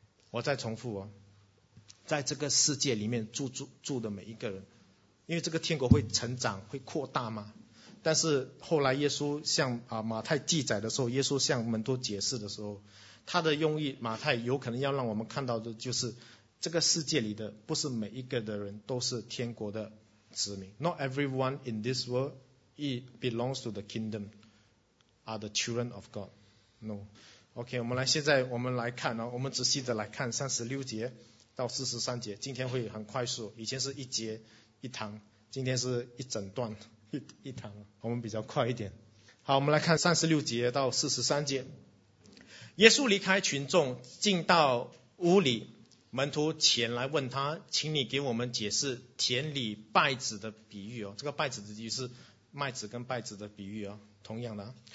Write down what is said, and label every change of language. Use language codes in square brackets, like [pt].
[zh] 我再重复哦，在这个世界里面住的每一个人，因为这个天国会成长会扩大嘛。但是后来耶稣向马太记载的时候，耶稣向门徒解释的时候，他的用意，马太有可能要让我们看到的就是这个世界里的不是每一个的人都是天国的子民。 [en] Not everyone in this world belongs to the kingdom are the children of God. No. [zh] OK, 我们来现在我们来看，我们仔细的来看36节到43节，今天会很快速，以前是一节一堂，今天是一整段 一堂，我们比较快一点。好，我们来看36节到43节。耶稣离开群众进到屋里，门徒前来问他，请你给我们解释田里败子的比喻哦。这个败子的比喻是麦子跟败子的比喻哦，同样的。